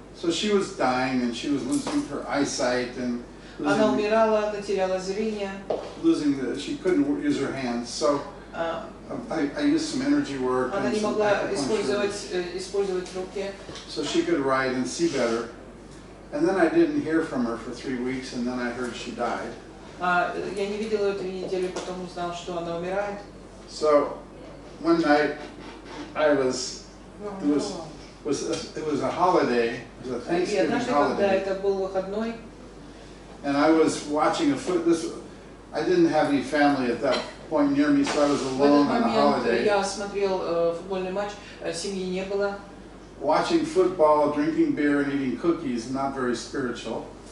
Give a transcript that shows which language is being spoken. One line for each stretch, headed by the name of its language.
English: So she was dying and she was losing her eyesight and she couldn't use her hands. So I used some energy work.
Russian: Она не могла использовать руки.
English: So she could write and see better. And then I didn't hear from her for 3 weeks, and then I heard she died.
Russian: Я не видела ее 3 недели, потом узнал, что она умирает.
English: So one night it was a holiday, it was a Thanksgiving holiday. And I was watching I didn't have any family at that point near me, so I was alone on a holiday.
Russian: Я смотрел футбольный матч, семьи не было.
English: Watching football, drinking beer, and eating cookies, not very spiritual.